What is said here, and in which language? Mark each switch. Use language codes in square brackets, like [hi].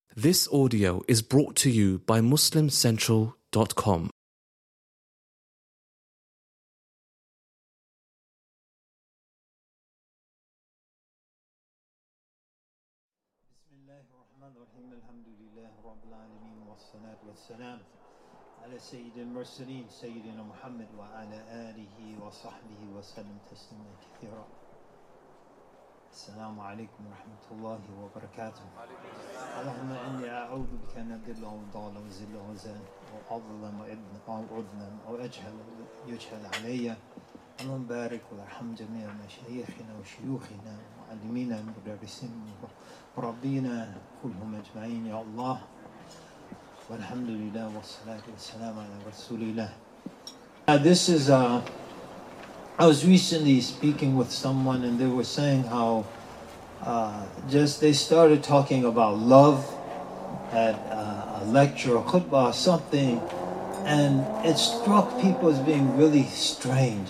[en] This audio is brought to you by MuslimCentral.com. [ar] بسم الله الرحمن الرحيم الحمد لله رب العالمين والصلاة والسلام على سيد المرسلين سيدنا محمد وعلى آله وصحبه وسلم تسليما كثيرا. السلام عليكم ورحمة الله وبركاته. اللهم إني أعوذ بك أن أضل أو ضال أو زل أو زان أو أظلم أو أذنب أو أجهل أو يجهل علي. اللهم بارك وارحم جميع مشايخنا وشيوخنا ومعلمينا ومدرسينا وربينا كلهم أجمعين يا الله. والحمد لله والصلاة والسلام على رسول الله. [en] I was recently speaking with someone and they were saying how they started talking about love at a lecture or khutbah or something, and it struck people as being really strange.